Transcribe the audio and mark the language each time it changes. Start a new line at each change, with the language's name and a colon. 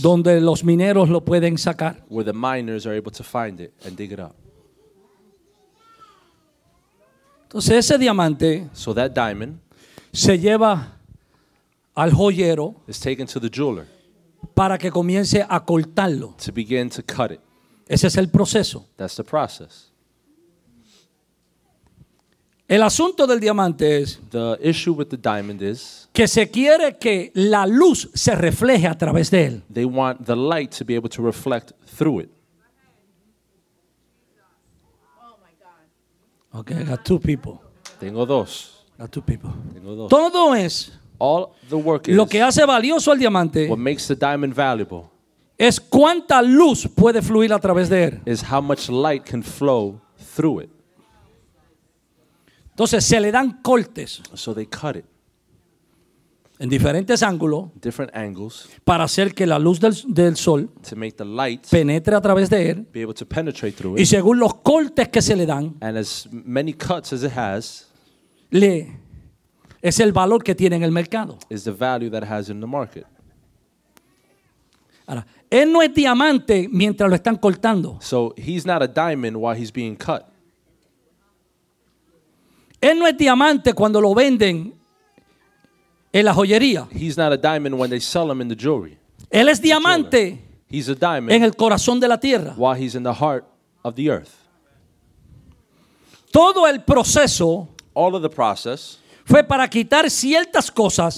Spanish: Donde los mineros lo pueden sacar.
English: Where the miners are able to find it and dig it up.
Spanish: Entonces ese diamante.
English: So that diamond.
Spanish: Se lleva al joyero.
English: Is taken to the jeweler.
Spanish: Para que comience a cortarlo.
English: To begin to cut it.
Spanish: Ese es el proceso.
English: That's the process.
Spanish: El asunto del diamante es.
English: The issue with the diamond is.
Spanish: Que se quiere que la luz se refleje a través de él.
English: They want the light to be able to reflect through it. Oh my God. Okay, I got two people.
Spanish: Tengo dos.
English: Got two people.
Spanish: Tengo dos. Todo es.
English: All the work
Spanish: lo que hace valioso al diamante.
English: What makes the diamond valuable.
Spanish: Es cuánta luz puede fluir a través de él.
English: Is how much light can flow through it.
Spanish: Entonces se le dan cortes.
English: So they cut it.
Spanish: En diferentes ángulos.
English: Different angles.
Spanish: Para hacer que la luz del sol.
English: To make the light.
Spanish: Penetre a través de él.
English: Be able to penetrate through
Spanish: it. Y según los cortes que se le dan.
English: And as many cuts as it has.
Spanish: Le. Es el valor que tiene en el mercado.
English: Is the value that it has in the market.
Spanish: Ahora, él no es diamante mientras lo están cortando.
English: So he's not a diamond while he's being cut.
Spanish: Él no es diamante cuando lo venden en la joyería.
English: He's not a diamond when they sell him in the jewelry.
Spanish: Él es diamante.
English: He's a diamond.
Spanish: En el corazón de la tierra.
English: While he's in the heart of the earth.
Spanish: Todo el proceso.
English: All of the process.
Spanish: Fue para quitar ciertas cosas.